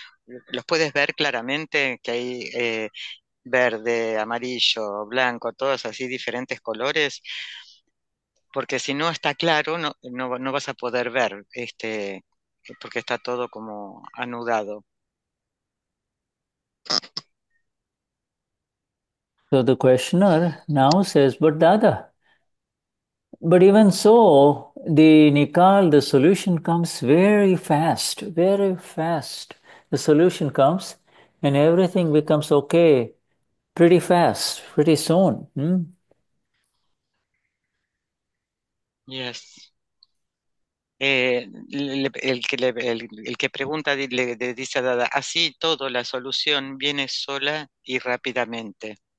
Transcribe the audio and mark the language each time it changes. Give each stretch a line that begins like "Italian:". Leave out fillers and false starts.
Spanish: ¿Los puedes ver claramente que hay verde, amarillo, blanco, todos así diferentes colores? Porque si no está claro, no vas a poder ver porque está todo como anudado.
English: So the questioner now says, but Dada, but even so, the Nikaal, the solution comes very fast, very fast. The solution comes and everything becomes okay pretty fast, pretty soon. Yes.
Spanish: El que pregunta le dice a Dada, así todo, la solución viene sola y rápidamente.